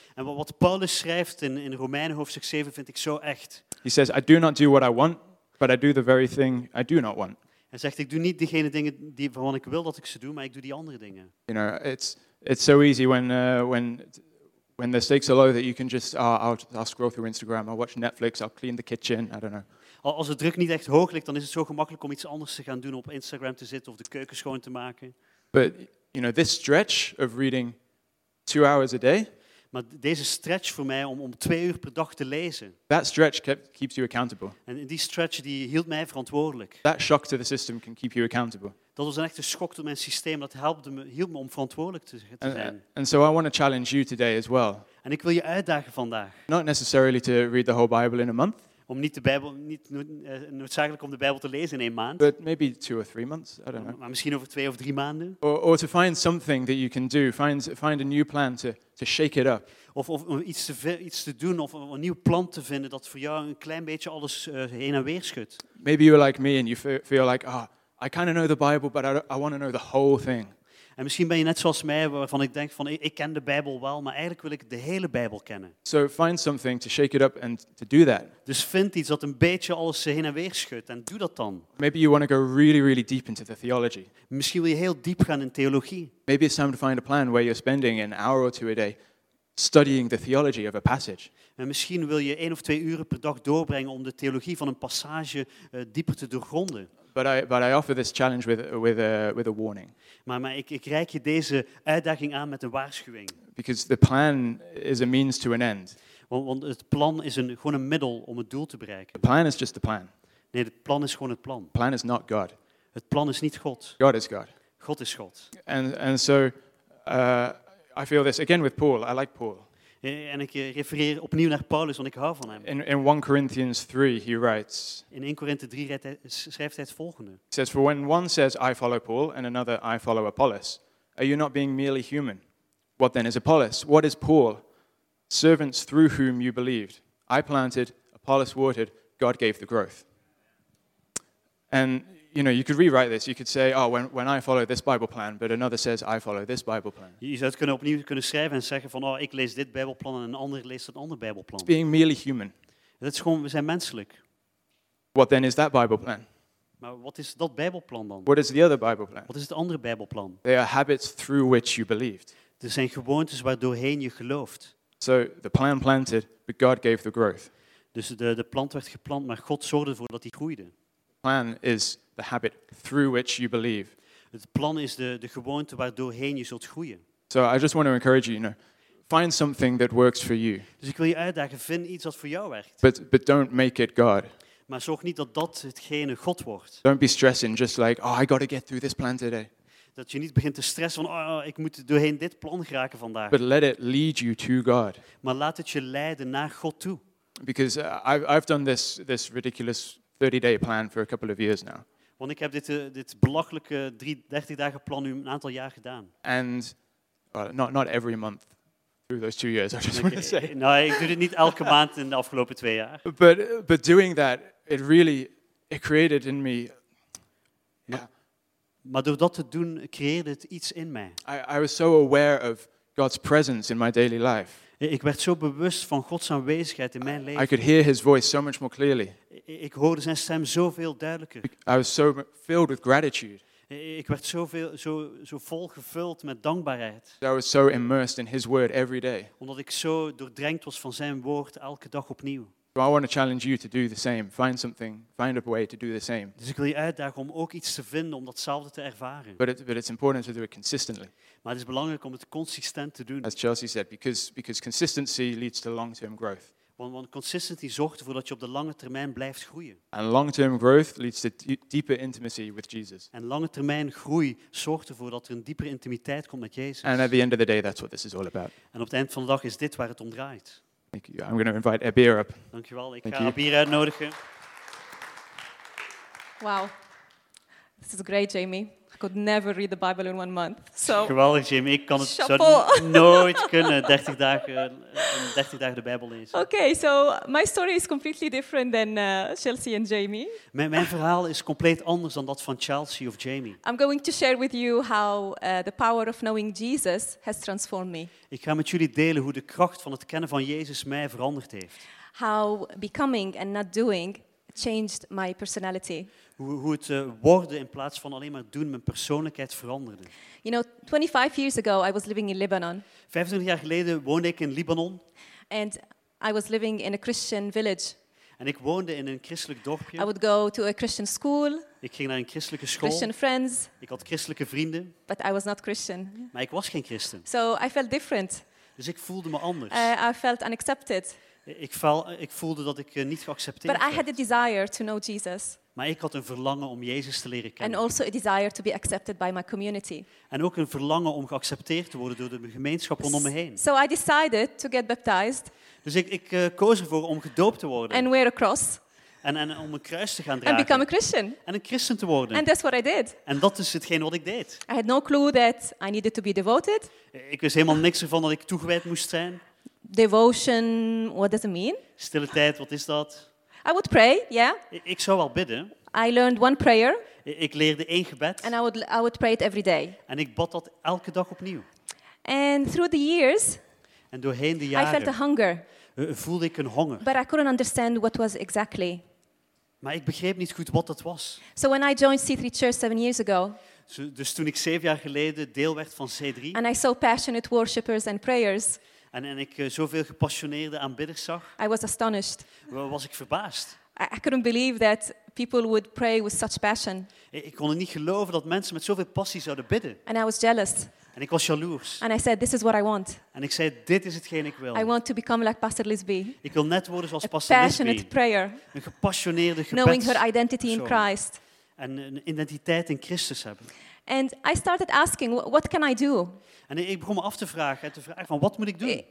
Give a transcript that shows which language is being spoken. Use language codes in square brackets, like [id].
[nl] En wat Paulus schrijft in Romeinen hoofdstuk 7 vind ik zo echt. [en] He says, I do not do what I want. But I do the very thing I do not want. [nl] Hij zegt, ik doe niet degene dingen die waarvan ik wil dat ik ze doe, maar ik doe die andere dingen. [en] You know, it's so easy when the stakes are low that you can just I'll scroll through Instagram, I'll watch Netflix, I'll clean the kitchen, I don't know. [nl] Als de druk niet echt hoog ligt, dan is het zo gemakkelijk om iets anders te gaan doen, op Instagram te zitten of de keuken schoon te maken. [en] But you know, this stretch of reading 2 hours a day. [nl] Maar deze stretch voor mij om 2 uur per dag te lezen. [en] That stretch keeps you accountable. [nl] En die stretch die hield mij verantwoordelijk. [en] That shock to the system can keep you accountable. [nl] Dat was een echte schok tot mijn systeem. Dat hield me om verantwoordelijk te zijn. [en] And so I want to challenge you today as well. [nl] En ik wil je uitdagen vandaag. [en] Not necessarily to read the whole Bible in a month. [nl] Om niet de Bijbel, niet noodzakelijk om de Bijbel te lezen in 1 maand. [en] But maybe 2 or 3 months, I don't know. [nl] Maar misschien over 2 of 3 maanden. [en] Or to find something that you can do, find a new plan to shake it up. [nl] Of iets te doen of een nieuw plan te vinden dat voor jou een klein beetje alles heen en weer schudt. [en] Maybe you're like me and you feel like, I kind of know the Bible, but I want to know the whole thing. [nl] En misschien ben je net zoals mij, waarvan ik denk van ik ken de Bijbel wel, maar eigenlijk wil ik de hele Bijbel kennen. [en] So find something to shake it up and to do that. [nl] Dus vind iets dat een beetje alles heen en weer schudt en doe dat dan. [en] Maybe you want to go really, really deep into the theology. [nl] Misschien wil je heel diep gaan in theologie. [en] Maybe it's time to find a plan where you're spending an hour or two a day studying the theology of a passage. [nl] En misschien wil je 1 of 2 uren per dag doorbrengen om de theologie van een passage dieper te doorgronden. [en] But I offer this challenge with a warning. [nl] Maar ik reik je deze uitdaging aan met een waarschuwing. [en] Because the plan is a means to an end. [nl] Want het plan is gewoon een middel om het doel te bereiken. [en] The plan is just the plan. [nl] Nee, het plan is gewoon het plan. [en] The plan is not God. [nl] Het plan is niet God. [en] God is God. [nl] God is God. [en] And so I feel this again with Paul. I like Paul. [nl] En ik refereer opnieuw naar Paulus, want ik hou van hem. [en] In 1 Corinthians 3, he writes. [nl] In 1 Corinthians 3 schrijft hij het volgende. [en] He says, for when one says, I follow Paul, and another, I follow Apollos, are you not being merely human? What then is Apollos? What is Paul? Servants through whom you believed. I planted, Apollos watered, God gave the growth. And, you know, you could rewrite this. You could say, when I follow this Bible plan, but another says, I follow this Bible plan. [nl] Je zou het kunnen schrijven en zeggen van, ik lees dit Bijbelplan en een ander leest een ander Bijbelplan. [en] It's being merely human. [nl] Dat is gewoon, we zijn menselijk. [en] What then is that Bible plan? [nl] Maar wat is dat Bijbelplan dan? [en] What is the other Bible plan? [nl] Wat is het andere Bijbelplan? [en] They are habits through which you believed. [nl] Er zijn gewoontes waardoorheen je gelooft. [en] So, the plan planted, but God gave the growth. [nl] Dus de plant werd geplant, maar God zorgde ervoor dat die groeide. [en] The plan is the habit through which you believe. [nl] Het plan is de gewoonte waardoorheen je zult groeien. [en] So I just want to encourage you, you know, find something that works for you. [nl] Dus ik wil je uitdagen, vind iets wat voor jou werkt. [en] But don't make it God. [nl] Maar zorg niet dat dat hetgene God wordt. [en] Don't be stressing, just like, I got to get through this plan today. [nl] Dat je niet begint te stressen van, ik moet doorheen dit plan geraken vandaag. [en] But let it lead you to God. [nl] Maar laat het je leiden naar God toe. [en] Because I've done this ridiculous 30-day plan for a couple of years now. [nl] Want ik heb dit belachelijke 30-dagen plan nu een aantal jaar gedaan. [en] And not every month through those 2 years, I just want to say. [nl] Nee, ik doe dit niet elke maand in de afgelopen 2 jaar. [en] But doing that, it really created in me. [nl] Maar door dat te doen, creëerde het iets in mij. [en] I was so aware of God's presence in my daily life. [nl] Ik werd zo bewust van Gods aanwezigheid in mijn leven. [en] I could hear his voice so much more clearly. [nl] Ik hoorde zijn stem zoveel duidelijker. [en] I was so filled with gratitude. [nl] Ik werd zo vol gevuld met dankbaarheid. [en] I was so immersed in his word every day. [nl] Omdat ik zo doordrenkt was van zijn woord elke dag opnieuw. [en] So I want to challenge you to do the same. Find something, find a way to do the same. [nl] Dus ik wil je uitdagen om ook iets te vinden om datzelfde te ervaren. [en] But it's important to do it consistently. [nl] Maar het is belangrijk om het consistent te doen. [en] As Chelsea said, because consistency leads to long-term growth. [nl] Want consistency zorgt ervoor dat je op de lange termijn blijft groeien. [en] And long-term growth leads to deeper intimacy with Jesus. [nl] En lange termijn groei zorgt ervoor dat er een diepere intimiteit komt met Jezus. [en] And at the end of the day, that's what this is all about. [nl] En op het eind van de dag is dit waar het om draait. [en] Thank you. I'm going to invite Abir up. [nl] Dankjewel. Ik ga Abir uitnodigen. [en] Wow. This is great, Jamie. I could never read the Bible in 1 month. So. [nl] Geweldig, Jamie. Ik kan het nooit kunnen, 30 dagen de Bijbel lezen. [en] Okay, so my story is completely different than Chelsea and Jamie. [nl] Mijn verhaal is compleet anders dan dat van Chelsea of Jamie. [en] I'm going to share with you how the power of knowing Jesus has transformed me. [nl] Ik ga met jullie delen hoe de kracht van het kennen van Jezus mij veranderd heeft. [en] How becoming and not doing changed my personality. [nl] Hoe het worden in plaats van alleen maar doen mijn persoonlijkheid veranderde. [en] You know, 25 years ago I was living in Lebanon. [nl] 25 jaar geleden woonde ik in Libanon. [en] And I was living in a Christian village. [nl] En ik woonde in een christelijk dorpje. [en] I would go to a Christian school. [nl] Ik ging naar een christelijke school. [en] Christian friends. [nl] Ik had christelijke vrienden. [en] But I was not Christian. [nl] Maar ik was geen christen. [en] So I felt different. [nl] Dus ik voelde me anders. [en] I felt unaccepted. [nl] Ik voelde dat ik niet geaccepteerd werd. [en] But I had a desire to know Jesus. [nl] Maar ik had een verlangen om Jezus te leren kennen. [en] And also a desire to be accepted by my community. [nl] En ook een verlangen om geaccepteerd te worden door de gemeenschap rondom me heen. [en] So I decided to get baptized. [nl] Dus ik koos ervoor om gedoopt te worden. [en] And wear a cross. [nl] En om een kruis te gaan dragen. [en] And become a Christian. [nl] En een christen te worden. [en] And that's what I did. [nl] En dat is hetgeen wat ik deed. [en] I had no clue that I needed to be devoted. [nl] Ik wist helemaal niks ervan dat ik toegewijd moest zijn. [en] Devotion, what does it mean? [nl] Stille tijd, wat is dat? [en] I would pray, yeah. [nl] Ik zou wel bidden. [en] I learned one prayer. [nl] Ik leerde één gebed. [en] And I would pray it every day. [nl] En ik bad dat elke dag opnieuw. [en] And through the years. [nl] En doorheen de jaren. [en] I felt a hunger. [nl] Voelde ik een honger. [en] But I couldn't understand what was exactly. [nl] Maar ik begreep niet goed wat dat was. [en] So when I joined C3 Church 7 years ago. [nl] Dus toen ik 7 jaar geleden deel werd van C3. [en] And I saw passionate worshippers and prayers. [nl] En ik zoveel gepassioneerde aanbidders zag. [en] I was astonished. [nl] Was ik verbaasd. [en] I couldn't believe that people would pray with such passion. [nl] Ik kon niet geloven dat mensen met zoveel passie zouden bidden. [en] And I was jealous. [nl] En ik was jaloers. [en] And I said, this is what I want. [nl] En ik zei, dit is hetgeen ik wil. [en] I want to become like Pastor Lisby. [nl] Ik wil net worden zoals A Pastor Lisby. [en] Passionate prayer. [nl] Een gepassioneerde gebed. [en] Knowing her identity in Christ. [nl] En een identiteit in Christus hebben. [en] And I started asking, what can I do? [nl] En ik begon me af te vragen, van wat moet ik doen?